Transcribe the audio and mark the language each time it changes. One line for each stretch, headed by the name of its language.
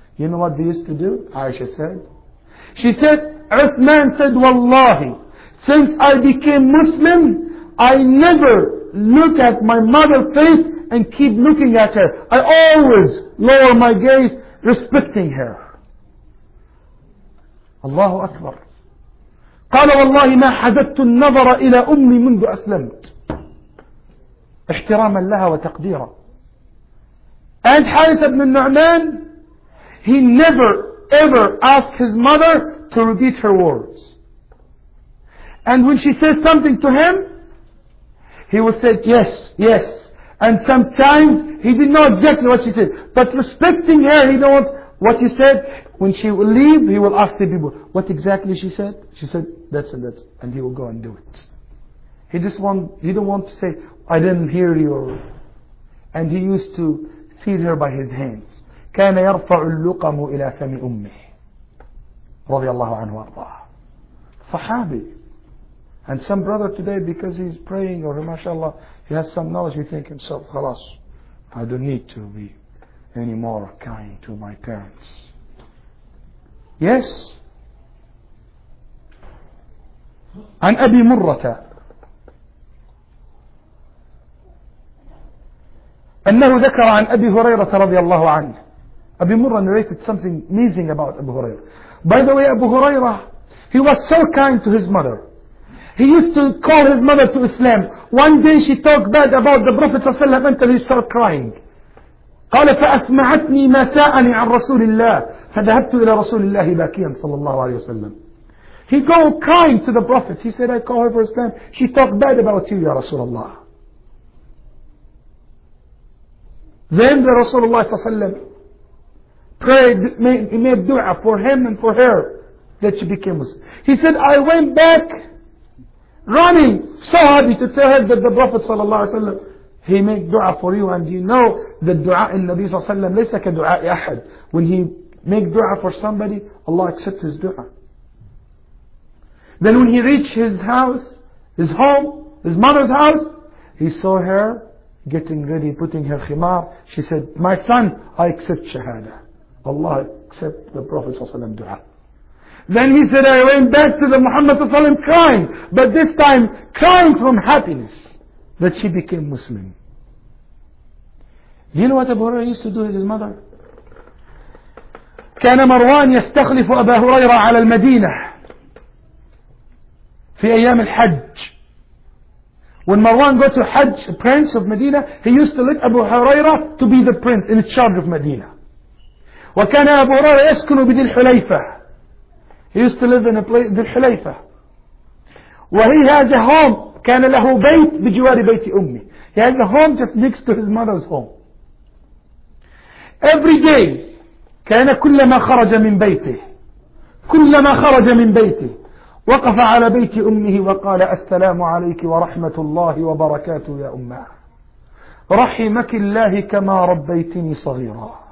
English: You know what they used to do? Aisha said. She said, Uthman said, wallahi, since I became Muslim, I never look at my mother's face and keep looking at her. I always lower my gaze, respecting her. Allahu Akbar.
Arabic: قال والله ما حذفت النظر إلى أمي منذ أسلمت احتراما لها وتقديرا.
English: And Harith ibn Nu'man, he never ever asked his mother to repeat her words. And when she says something to him, he would say yes, yes. And sometimes he did not exactly what she said, but respecting her, he knows what she said. When she will leave, he will ask the people, what exactly she said? She said, that's it, that's it. And he will go and do it. He didn't want to say, I didn't hear you. And he used to feed her by his hands.
Arabic: كان يرفع اللقم إلى فم أمه رضي الله عنه وارضاه. صحابي.
English: And some brother today, because he's praying or mashallah, he has some knowledge, he thinks himself, خلاص, I don't need to be any more kind to my parents. Yes.
Arabic: عن أبي مرة أنه ذكر عن أبي هريرة رضي الله عنه.
English: أبي مرة narrated something amazing about أبو هريرة. By the way, أبو هريرة, he was so kind to his mother. He used to call his mother to Islam. One day she talked bad about the Prophet
Arabic: صلى الله عليه وسلم
English: until he started crying.
Arabic: قال فأسمعتني ما ساءني عن رسول الله فذهبت إلى رسول الله باكيا صلى الله عليه وسلم.
English: He go crying to the Prophet. He said, I call her for Islam. She talked bad about you, Ya Rasulullah. Then the Rasulullah prayed, made dua for him and for her that she became Muslim. He said, I went back running, so happy to tell her that the Prophet sallallahu alayhi wa sallam, he made dua for you, and you know that dua in Nabi sallallahu alayhi wa sallam,
Arabic: ليس كدعاء أحد.
English: When he make dua for somebody, Allah accepts his dua. Then when he reached his house, his home, his mother's house, he saw her getting ready, putting her khimar. She said, my son, I accept shahada. Allah accept the Prophet ﷺ dua. Then he said, I went back to the Muhammad ﷺ crying, but this time crying from happiness that she became Muslim. Do you know what Abu Hurairah used to do with his mother?
Arabic: كان مروان يستخلف أبا هريرة على المدينة في أيام الحج.
English: When Marwan go to Hajj, the prince of Medina, he used to let Abu Hurairah to be the prince in charge of Medina.
Arabic: وكان أبو هريرة يسكن بذي الحليفة.
English: He used to live in a place, ذي الحليفة.
Arabic: وهي
English: had a home,
Arabic: كان له بيت بجوار بيت أمي.
English: He had a home just next to his mother's home. Every day,
Arabic: كان كلما خرج من بيته, كلما خرج من بيته, وقف على بيت أمه وقال السلام عليك ورحمة الله وبركاته يا أمه رحمك الله كما ربيتني صغيرا.